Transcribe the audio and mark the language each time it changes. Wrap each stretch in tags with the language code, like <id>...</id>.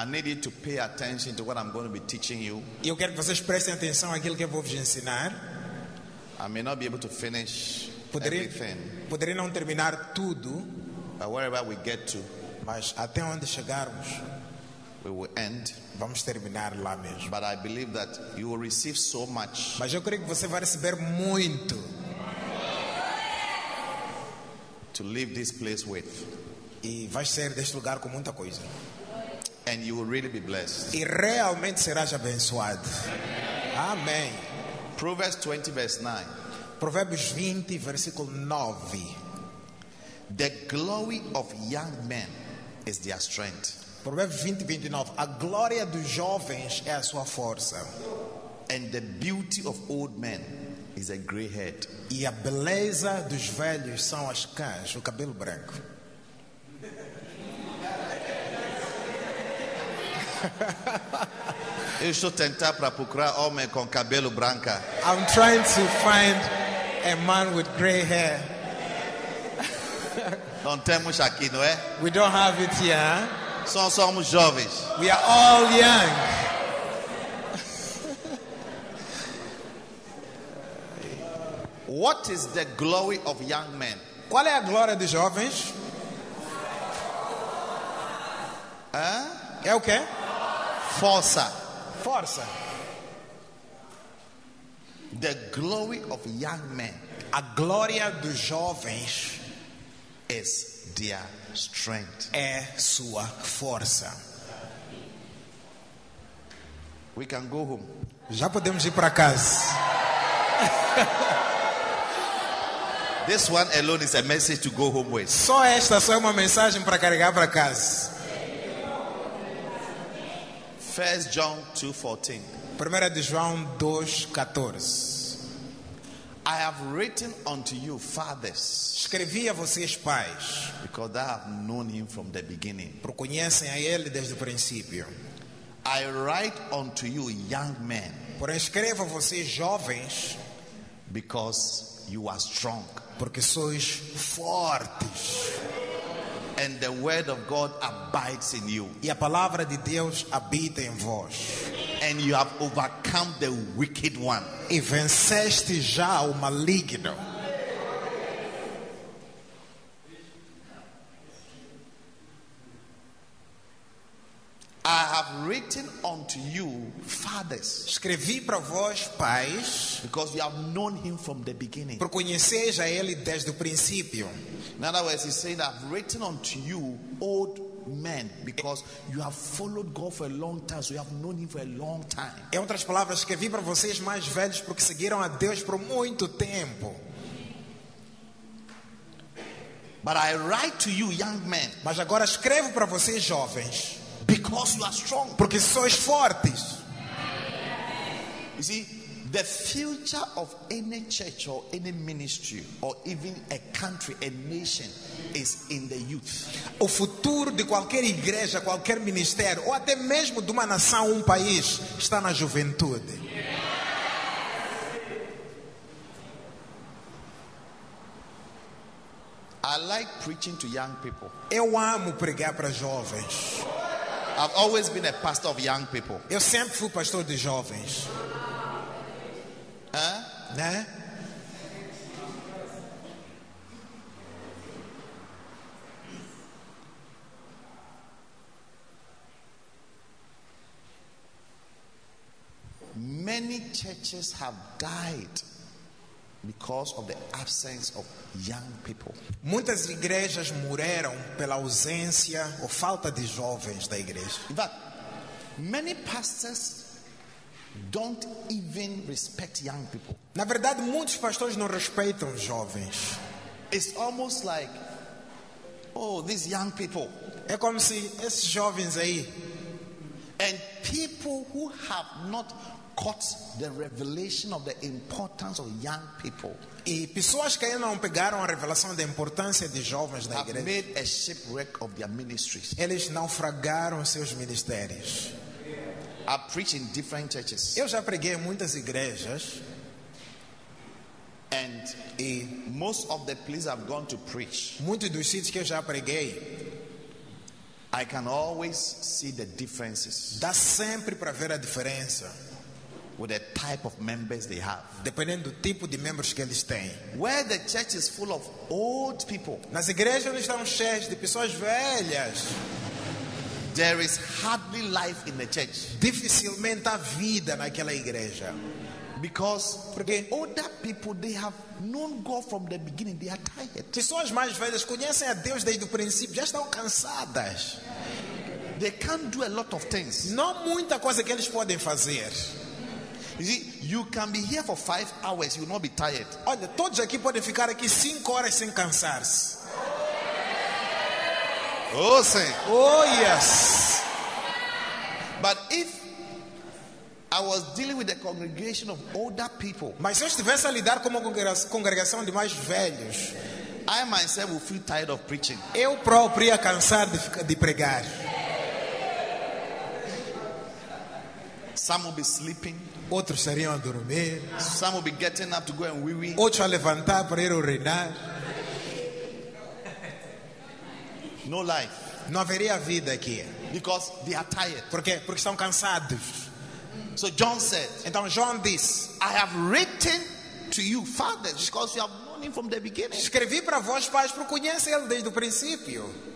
<en>I need you to pay attention to what I'm going to be teaching you.</en> <pt>Eu quero que vocês prestem atenção àquilo que eu vou vos ensinar.</pt> <en>I may not be able to finish everything.</en> <pt>Poderei não terminar tudo.</pt> <en>But wherever we get to,</en> <pt>mas até onde chegarmos,</pt> <en>we will end.</en> <pt>Vamos terminar lá mesmo.</pt> <en>But I believe that you will receive so much.</en> <pt>Mas eu creio que você vai receber muito.</pt> <en>To leave this place with.</en> <pt>E vais sair deste lugar com muita coisa.</pt> <en>And you will really be blessed.</en> <pt>E realmente serás abençoado. Amém.</pt> <en>Proverbs 20, verse 9.</en> <pt>Provérbios 20, versículo 9.</pt> <en>The glory of young men is their strength.</en> <pt>Provérbios 20, 29. A glória dos jovens é a sua força.</pt> <en>And the beauty of old men is a gray head.</en> <pt>E a beleza dos velhos são as cãs, o cabelo branco. Eu estou tentando para procurar homem com cabelo branco.</pt> <en>I'm trying to find a man with gray hair.</en> <pt>Não temos aqui, não é?</pt> <en>We don't have it here.</en> <pt>Só somos jovens.</pt> <en>We are all young. What is the glory of young men?</en> <pt>Qual é a glória dos jovens? É o quê? Força. Força.</pt> <en>The glory of young men.</en> <pt>A glória dos jovens</pt> <en>is their strength.</en> <pt>É sua força.</pt> <en>We can go home.</en> <pt>Já podemos ir para casa.</pt> <en>This one alone is a message to go home with.</en> <pt>Só esta só é uma mensagem para carregar para casa.</pt> <en>1 John 2:14.</en> <pt>Primeira de João 2:14.</pt> <en>I have written unto you fathers.</en> <pt>Escrevi a vocês pais.</pt> <en>Because I have known him from the beginning.</en> <pt>Porque conhecem a ele desde o princípio.</pt> <en>I write unto you young men.</en> <pt>Porém escrevo a vocês jovens.</pt> <en>Because you are strong.</en> <pt>Porque sois fortes.</pt> <en>And the word of God abides in you.</en> <pt>E a palavra de Deus habita em vós.</pt> <en>And you have overcome the wicked one.</en> <pt>E venceste já o maligno.</pt> <en>I have have written unto you, fathers.</en> <pt>Escrevi para vós, pais,</pt> <en>because you have known him from the beginning.</en> <pt>Por conheceis a ele desde o princípio.</pt> <en>In other words, he's saying, I've written unto you, old men, because you have followed God for a long time, so you have known him for a long time.</en> <pt>Em outras palavras, escrevi para vocês mais velhos porque seguiram a Deus por muito tempo.</pt> <en>But I write to you, young men.</en> <pt>Mas agora escrevo para vocês, jovens.</pt> <en>Because you are strong.</en> <pt>Porque sois fortes.</pt> <en>You see, the future of any church or any ministry or even a country, a nation, is in the youth.</en> <pt>O futuro de qualquer igreja, qualquer ministério, ou até mesmo de uma nação, um país, está na juventude.</pt> <en>I like preaching to young people.</en> <pt>Eu amo pregar para jovens.</pt> <en>I've always been a pastor of young people.</en> <pt>Eu sempre fui pastor de jovens. Hã? Né?</pt> <en>Many churches have died because of the absence of young people.</en> <pt>Muitas igrejas morreram pela ausência ou falta de jovens da igreja.</pt> <en>In fact, many pastors don't even respect young people.</en> <pt>Na verdade, muitos pastores não respeitam jovens.</pt> <en>It's almost like, oh, these young people.</en> <pt>É como se esses jovens aí.</pt> <en>And people who have not caught the revelation of the importance of young people.</en> <pt>E pessoas que ainda não pegaram a revelação da importância de jovens da igreja.</pt> <en>Have made a shipwreck of their ministries.</en> <pt>Eles naufragaram seus ministérios.</pt> <en>I preach in different churches.</en> <pt>Eu já preguei em muitas igrejas.</pt> <en>And most of the places I've gone to preach.</en> <pt>Muitos dos sítios que eu já preguei.</pt> <en>I can always see the differences.</en> <pt>Dá sempre para ver a diferença.</pt> <en>With the type of members they have.</en> <pt>Dependendo do tipo de membros que eles têm.</pt> <en>Where the church is full of old people.</en> <pt>Nas igrejas onde estão cheias de pessoas velhas.</pt> <en>There is hardly life in the church.</en> <pt>Dificilmente há vida naquela igreja.</pt> <en>Because the older people, they have known God from the beginning, they are tired.</en> <pt>Pessoas mais velhas conhecem a Deus desde o princípio, já estão cansadas.</pt> <en>They can't do a lot of things.</en> <pt>Não muita coisa que eles podem fazer.</pt> <en>You see, you can be here for 5 hours, you will not be tired.</en> <pt>Olha, todos aqui podem ficar aqui 5 horas sem cansar-se. Oh, sim.</pt> <en>Oh, yes. But if I was dealing with a congregation of older people,</en> <pt>mas se eu estivesse a lidar com uma congregação de mais velhos,</pt> <en>I myself would feel tired of preaching.</en> <pt>Eu próprio ia cansar de pregar.</pt> <en>Some would be sleeping.</en> <pt>Outros estariam a dormir.</pt> <en>Some would be getting up to go and wee wee.</en> <pt>Outros a levantar para ir urinar.</pt> <en>No life.</en> <pt>Não haveria vida aqui.</pt> <en>Because they are tired.</en> <pt>Porque estão cansados.</pt> <en>So John said.</en> <pt>Então João diz,</pt> <en>I have written to you, fathers, because you have known him from the beginning.</en> <pt>Escrevi para vós, pais, porque conhecem ele desde o princípio.</pt>